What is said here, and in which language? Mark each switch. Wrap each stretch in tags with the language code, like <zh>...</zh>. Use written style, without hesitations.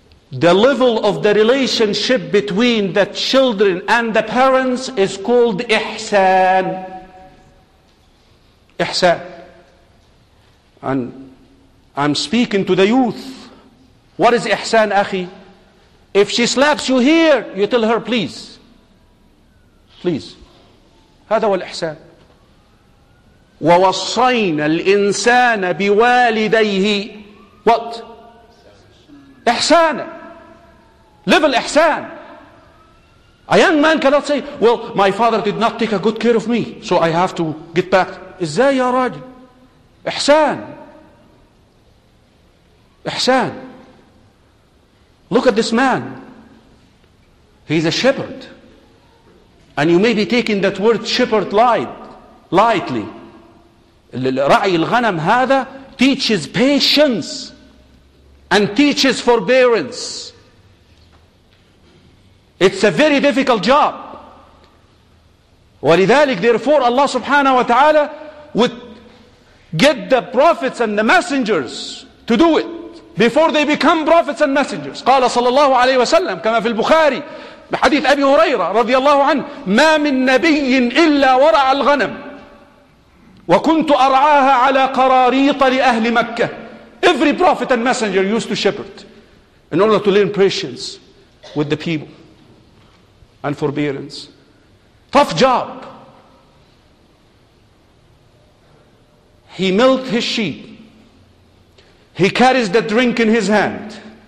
<en>The level of the relationship between the children and the parents is called ihsan. Ihsan. And I'm speaking to the youth. What is ihsan, akhi? If she slaps you here, you tell her, please. Please.</en> <ar>هذا هو الإحسان. ووصينا الإنسان بوالديه.</ar> <en>What? إحسان. Level إحسان. A young man cannot say, well, my father did not take a good care of me, so I have to get back.</en> <ar>إزاي يا راجل؟ إحسان.</ar> <en>إحسان. Look at this man. He's a shepherd. And you may be taking that word shepherd lightly.</en> <ar>رعي الغنم هذا</ar> <en>teaches patience and teaches forbearance. It's a very difficult job.</en> <ar>ولذلك</ar> <en>therefore Allah subhanahu wa ta'ala would get the prophets and the messengers to do it before they become prophets and messengers.</en> <ar>قال صلى الله عليه وسلم كما في البخاري بحديث أبي هريرة رضي الله عنه ما من نبي إلا ورع الغنم وكنت أرعاها على قراريط لأهل مكة.</ar> <en>Every prophet and messenger used to shepherd in order to learn patience with the people and forbearance. Tough job. He milked his sheep. He carries the drink in his hand.</en>